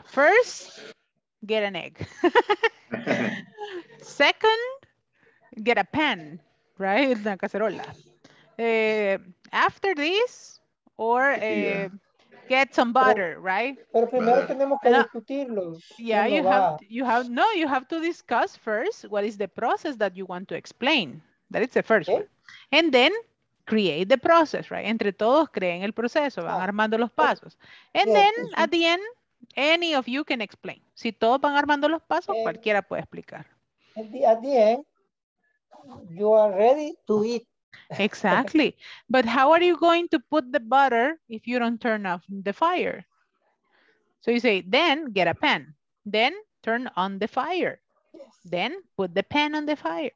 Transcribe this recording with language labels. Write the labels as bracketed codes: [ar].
[en] First, get an egg. Second, get a pan, right? [es] Una cacerola. [en] After this, or get some butter, right? [es] Pero primero tenemos que discutirlo. [en] Yeah, you have to discuss first what is the process that you want to explain. That is the first one. And then create the process, right? [es] Entre todos creen el proceso, van armando los pasos. [en] And then at the end, any of you can explain. [es] Si todos van armando los pasos, cualquiera puede explicar. [en] At the end, you are ready to eat. Exactly. But how are you going to put the butter if you don't turn off the fire? So you say, then get a pan. Then turn on the fire. Yes. Then put the pan on the fire.